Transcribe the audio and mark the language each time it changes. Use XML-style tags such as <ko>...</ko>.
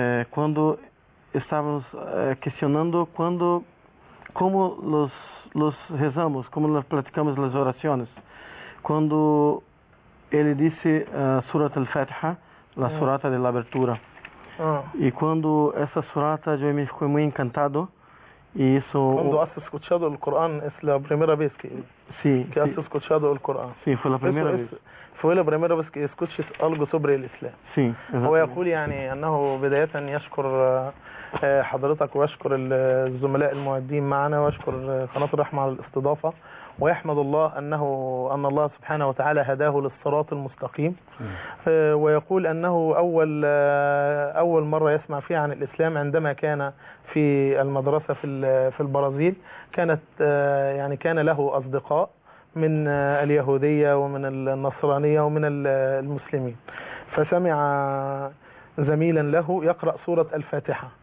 <pt>quando estávamos questionando como nos rezamos, como nos praticamos as orações, quando ele disse a Surat al-Fatiha, a Surata de la Abertura, e quando essa Surata eu me fiquei muito encantado.</pt> <es>Y eso, cuando has escuchado el Corán, es la primera vez que, sí, que has escuchado el Corán. Sí, fue la primera vez. Fue la primera vez que escuchas algo sobre el Islam. Sí, exactamente. Voy a decir,</es> <ar>yani, أنه بداية يشكر حضرتك ويشكر الزملاء المعدين معنا ويشكر قناة الرحمة على الاستضافة ويحمد الله أنه أن الله سبحانه وتعالى هداه للصراط المستقيم. ويقول أنه أول مرة يسمع فيها عن الإسلام عندما كان في المدرسة في البرازيل، كانت يعني كان له أصدقاء من اليهودية ومن النصرانية ومن المسلمين، فسمع زميلا له يقرأ سورة الفاتحة.</ar>